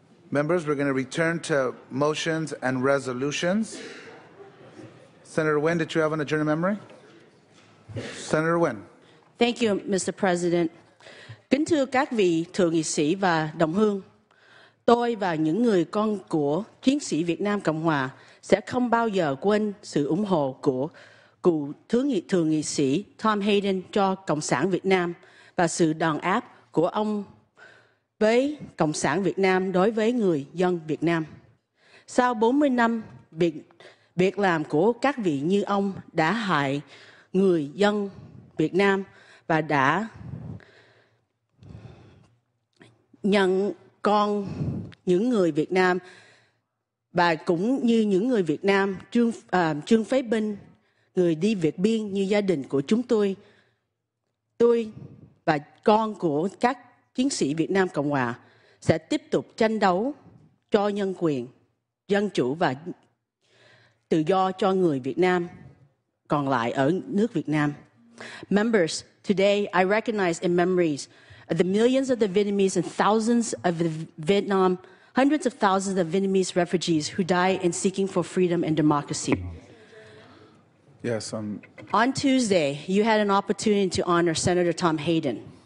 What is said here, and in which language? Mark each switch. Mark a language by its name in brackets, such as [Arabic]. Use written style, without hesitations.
[English] Members, we're going to return to motions and resolutions. Senator Nguyen, did you have an adjournment memory? Senator Nguyen. Thank you, Mr. President. [Vietnamese] Kính thưa các vị thượng nghị sĩ và đồng hương, tôi và những người con của chiến sĩ Việt Nam Cộng Hòa sẽ không bao giờ quên sự ủng hộ của cựu thượng nghị sĩ Tom Hayden cho Cộng sản Việt Nam và sự đàn áp của ông với Cộng sản Việt Nam đối với người dân Việt Nam. Sau 40 năm, việc làm của các vị như ông đã hại người dân Việt Nam và đã nhận con những người Việt Nam và cũng như những người Việt Nam Trương Phế Binh, người đi vượt biên như gia đình của chúng tôi. Tôi và con của các chiến sĩ Việt Nam Cộng Hòa sẽ tiếp tục tranh đấu cho nhân quyền, dân chủ và tự do cho người Việt Nam còn lại ở nước Việt Nam. [English] Members, today I recognize in memories the millions of the Vietnamese and thousands of the Vietnam, hundreds of thousands of Vietnamese refugees who die in seeking for freedom and democracy. Yes, on Tuesday, you had an opportunity to honor Senator Tom Hayden.